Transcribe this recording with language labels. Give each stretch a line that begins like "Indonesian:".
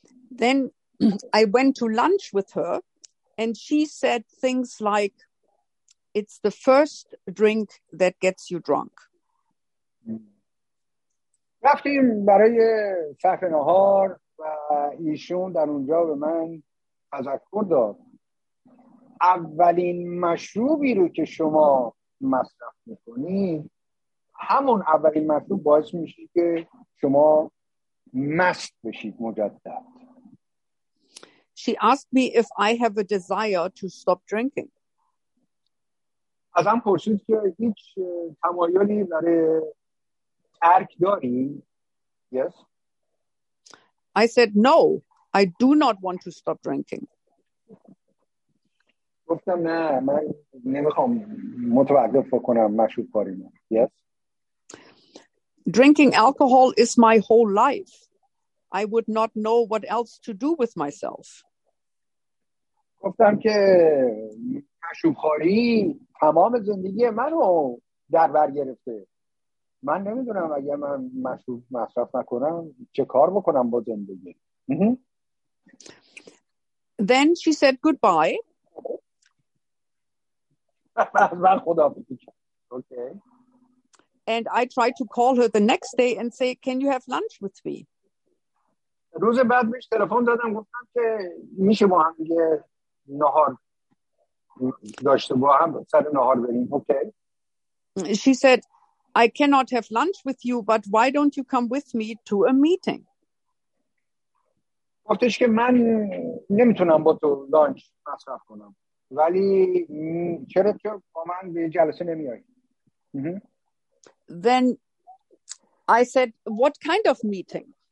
English: Then I went to lunch with her and she said things like, it's the first drink that gets you drunk.
Persian: رفتیم برای صرف نهار و ایشون در اونجا به من تذکر داد اولین مشروبی رو که شما مصرف میکنید همون اولین مشروب باعث میشه که شما مست بشید مجدد.
English: She asked me if I have a desire to stop drinking.
Persian: ازم پرسید که هیچ تمایلی برای ترک داری؟
English: Yes. I said no, I do not want to stop drinking.
Persian: گفتم نه من نمیخوام متوقف بکنم مشروب کاری من.
English: Yes. Drinking alcohol is my whole life. I would not know what else to do with myself.
Persian: گفتم که مشروب‌خوری تمام زندگی منو در بر گرفته. من نمیدونم اگه من مشروب مصرف نکنم چه کار بکنم با زندگی.
English: Then she said goodbye.
Persian: من خدافظی کردم.
English: Okay. And I tried to call her the next day and say, can you have lunch with me?
Persian: روز بعد بهش تلفن دادم گفتم که میشه با هم دیگه نهار داشته با هم سر نهار بریم.
English: Okay. She said, I cannot have lunch with you, but why don't you come with me to a meeting?
Persian: گفتش که من نمیتونم با تو لانچ مصرف کنم. ولی چرا تو با من به جلسه نمیایی؟
English: Then I said, what kind of meeting?